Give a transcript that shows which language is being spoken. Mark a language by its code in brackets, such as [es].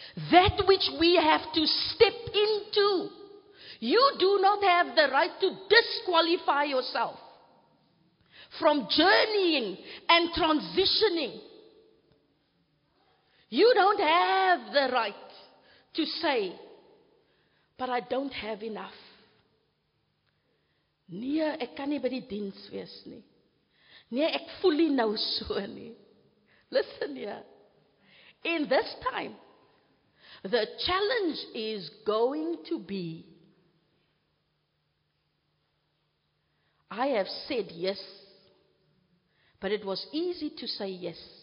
[en] That which we have to step into. You do not have the right to disqualify yourself from journeying and transitioning. You don't have the right to say, but I don't have enough. [af] Nee, ek kan nie by die diens wees nie. Nee, ek voel nie nou so nie. [en] Listen here. In this time, the challenge is going to be, I have said yes, but it was easy to say yes.